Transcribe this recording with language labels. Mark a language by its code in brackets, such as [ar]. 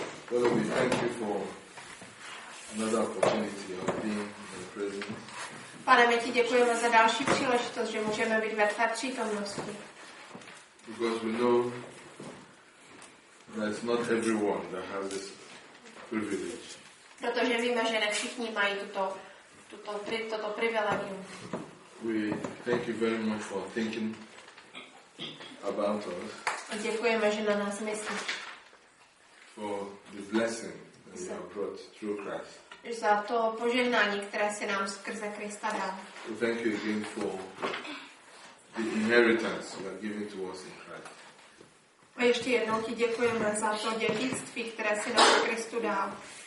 [en] Well, we thank you for another opportunity of being in your presence. [cs] Pane, my ti děkujeme za další příležitost, že můžeme být ve tvé přítomnosti. [en] Because we know that it's not everyone that has this privilege. [cs] Protože víme, že ne všichni mají toto privilegium. [en] We thank you very much for thinking about us. [cs] Děkujeme, že na nás myslí. [en] For the blessing that you have brought through Christ. [cs] Za to požehnání, které si nám skrze Krista dal. [en] Thank you again for the inheritance you have given to us in Christ. [cs] A ještě jednou ti děkujeme za to dědictví, které si nám Kristu dal.